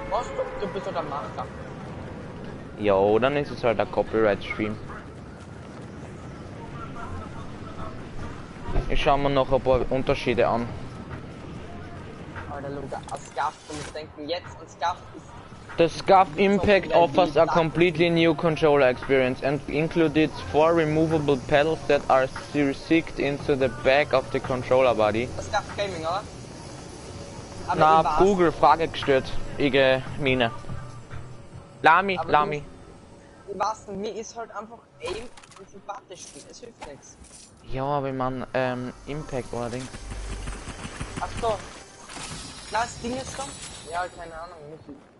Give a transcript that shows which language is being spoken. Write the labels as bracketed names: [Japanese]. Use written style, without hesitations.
[German] Was? Du bist doch der Macher. Ja, dann ist es halt ein Copyright-Stream. Ich schau mir noch ein paar Unterschiede an. Alter, Luca, ein Scuff, du musst denken, jetzt ein Scuff ist... [English] The Scuff Impact offers a completely new controller experience and includes 4 removable pedals that are sinked into the back of the controller body. [German] Scuff Gaming, oder? Na, Google, Frage gestört. Ige Mine. Lami, aber Lami. Ich weiß nicht, mir ist halt einfach Aim und sympathisch, es hilft nichts. Ja, aber ich mein, Impact war Ding. Achso. Na, das Ding ist schon? Ja, keine Ahnung, Michi.